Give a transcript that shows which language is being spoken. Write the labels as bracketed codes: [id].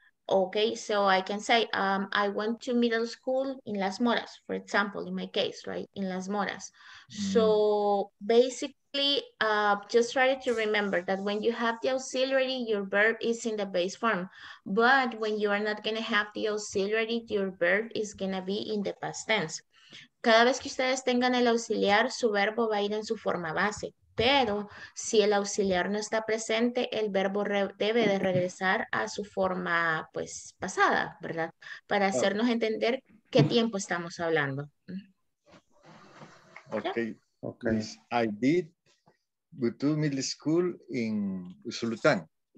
[en] Okay, so I can say, I went to middle school in Las Moras, for example, in my case, right? In Las Moras. Mm. So basically, Basically, just try to remember that when you have the auxiliary, your verb is in the base form. But when you are not going to have the auxiliary, your verb is going to be in the past tense. [es] Cada vez que ustedes tengan el auxiliar, su verbo va a ir en su forma base. Pero si el auxiliar no está presente, el verbo debe de regresar a su forma, pues, pasada, ¿verdad? Para hacernos entender qué tiempo estamos hablando. [en] Okay. Okay. I did to middle school in Usulután.